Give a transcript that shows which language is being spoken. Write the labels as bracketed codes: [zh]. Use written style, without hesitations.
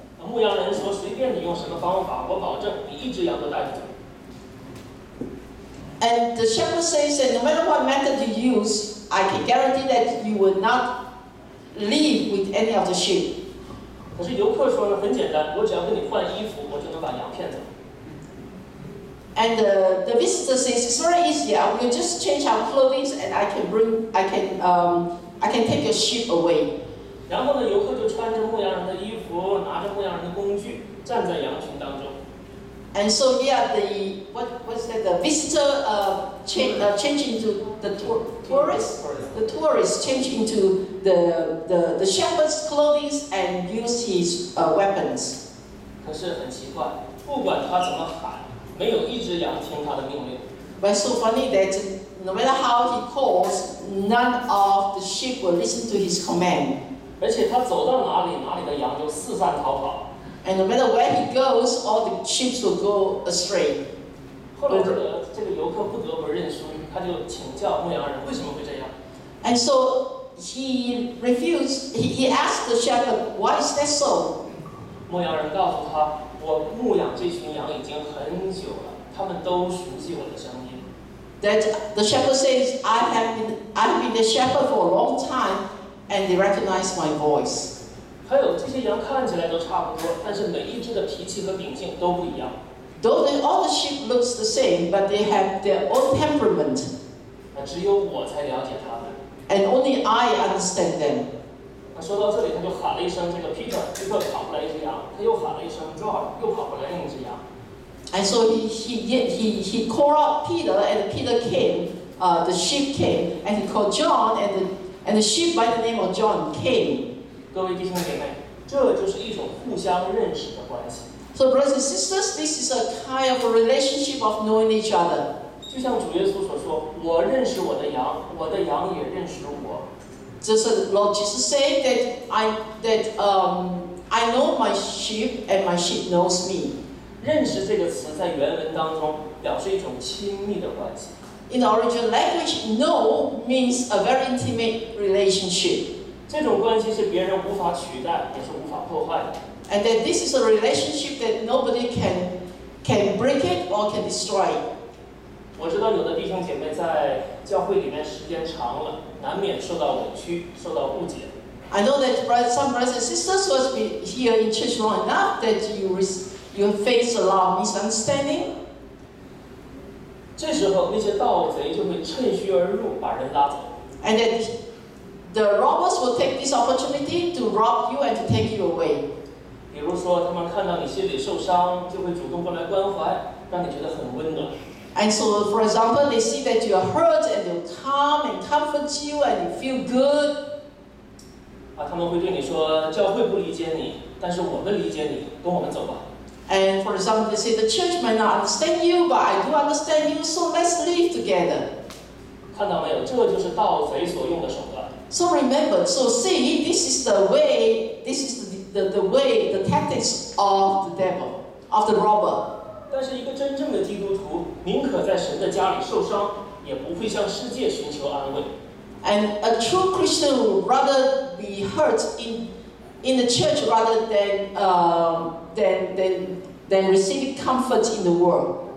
[zh] 牧羊人说，随便你用什么方法，我保证你一只羊都带不走。 [en] And the shepherd says that no matter what method you use, I can guarantee that you will not leave with any of the sheep. [zh] 可是游客说呢，很简单，我只要跟你换衣服，我就能把羊骗走。 [en] And the visitor says it's very easy. I will just change our clothing and I can take your sheep away. [zh] 然后呢，游客就穿着牧羊人的衣服，拿着牧羊人的工具，站在羊群当中。 [en] And so yeah, the tourist changed into the shepherd's clothing and used his weapons. [zh] 可是很奇怪，不管他怎么喊，没有一只羊听他的命令。 [en] But so funny that no matter how he calls, none of the sheep will listen to his command. [zh] 而且他走到哪里，哪里的羊就四散逃跑。 [en] And no matter where he goes, all the sheep will go astray. [zh] 后来这个游客不得不认输，他就请教牧羊人为什么会这样。 [en] And so he refused. He asked the shepherd, "Why is that so?" [zh] 牧羊人告诉他，我牧养这群羊已经很久了，他们都熟悉我的声音。 [en] That the shepherd says, "I've been the shepherd for a long time, and they recognize my voice." [zh] 还有这些羊看起来都差不多，但是每一只的脾气和秉性都不一样。 [en] Though they, all the sheep looks the same, but they have their own temperament. [zh] 只有我才了解他们。 [en] And only I understand them. [zh] 说到这里，他就喊了一声，这个 Peter 跑回来一只羊，他又喊了一声 John 又跑回来另一只羊。 [en] And so he called out Peter, and Peter came, the sheep came, and he called John, and the sheep by the name of John came. [zh] 各位弟兄姐妹，这就是一种互相认识的关系。 [en] So brothers and sisters, this is a kind of a relationship of knowing each other. [zh] 就像主耶稣所说，我认识我的羊，我的羊也认识我。 [en] Just as Lord Jesus said that I know my sheep and my sheep knows me. [zh] 认识这个词在原文当中表示一种亲密的关系。 [en] In the original language, know means a very intimate relationship. [zh] 这种关系是别人无法取代，也是无法破坏的。 [en] And that this is a relationship that nobody can break it or can destroy. [zh] 我知道有的弟兄姐妹在教会里面时间长了，难免受到委屈，受到误解。 [en] I know that some brothers and sisters who have been here in church long enough that you face a lot of misunderstanding. [zh] 这时候那些盗贼就会趁虚而入，把人拉走。 [en] And that The robbers will take this opportunity to rob you and to take you away. [zh] 比如说，他们看到你心里受伤，就会主动过来关怀，让你觉得很温暖。 [en] And so, for example, they see that you are hurt, and they'll come and comfort you, and you feel good. [zh] 啊，他们会对你说，教会不理解你，但是我们理解你，跟我们走吧。 [en] And for example, they say the church may not understand you, but I do understand you, so let's live together. [zh] 看到没有，这就是盗贼所用的手段。 [en] So remember, so see, this is the way, this is the way, the tactics of the devil, of the robber. [zh] 但是一个真正的基督徒宁可在神的家里受伤，也不会向世界寻求安慰。 [en] And a true Christian would rather be hurt in the church rather than receive comfort in the world.